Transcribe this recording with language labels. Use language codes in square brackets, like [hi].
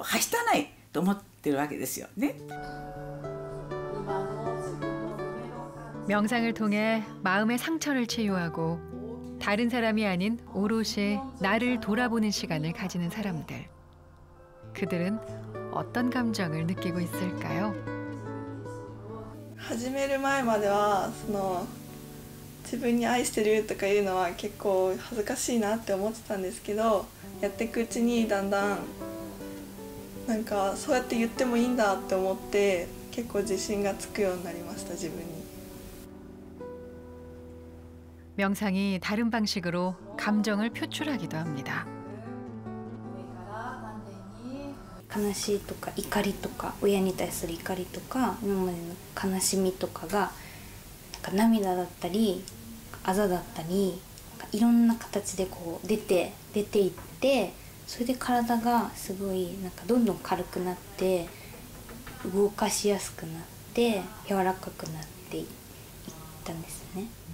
[ja] 日本人はやっぱそういう私は幸せだとか自分で言わないし私は元気だとかね私はOKだとかね輝いてるなんてあんまりそういうことはすることは恥ずかしいことだしなんかはしたないと思ってるわけですよね。 [ko] 명상을 통해 마음의 상처를 치유하고 다른 사람이 아닌 오롯이 나를 돌아보는 시간을 가지는 사람들. 그들은 어떤 감정을 느끼고 있을까요? [ja] 始める前までは自分に愛してるとか言うのは結構恥ずかしいなって思ってたんですけど、やっていくうちにだんだん、なんかそうやって言ってもいいんだって思って、結構自信がつくようになりました、自分に。 [ko] 명상이 다른 방식으로 감정을 표출하기도 합니다. [ja] 悲しいとか怒りとか親に対する怒りとか今までの悲しみとかがなんか涙だったりあざだったりなんかいろんな形でこう出ていってそれで体がすごいなんかどんどん軽くなって動かしやすくなって柔らかくなっていったんですね。